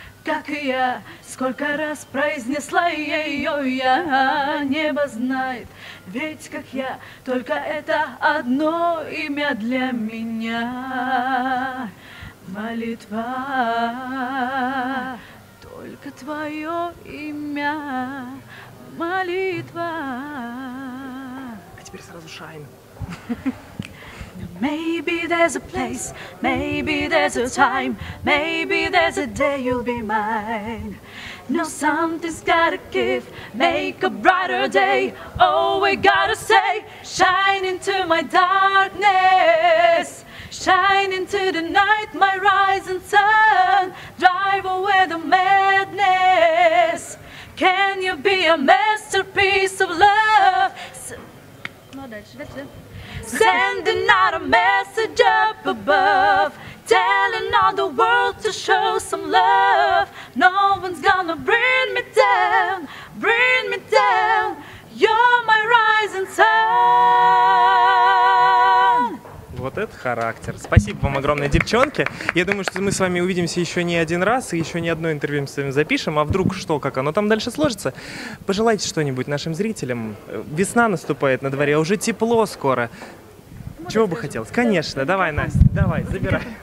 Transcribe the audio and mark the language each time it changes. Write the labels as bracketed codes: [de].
[ru] Как и я, сколько раз произнесла ее я, небо знает, ведь как я, только это одно имя для меня. Молитва, только твое имя, молитва. А теперь сразу шайн. [en] Maybe there's a place, maybe there's a time, maybe there's a day you'll be mine. Now something's gotta give, make a brighter day. Oh, we gotta say, shine into my darkness. Shine into the night, my rising sun. Drive away the madness. Can you be a masterpiece of love? Sending out a message up above, telling all the world to show some love. No one's gonna bring me down, you're my rising sun. [ru] Вот это характер. Спасибо вам огромное, девчонки. Я думаю, что мы с вами увидимся еще не один раз и еще не одно интервью мы с вами запишем. А вдруг что, как оно там дальше сложится? Пожелайте что-нибудь нашим зрителям. Весна наступает на дворе, уже тепло скоро. Чего бы хотелось? Конечно, давай, Настя, давай, забирай.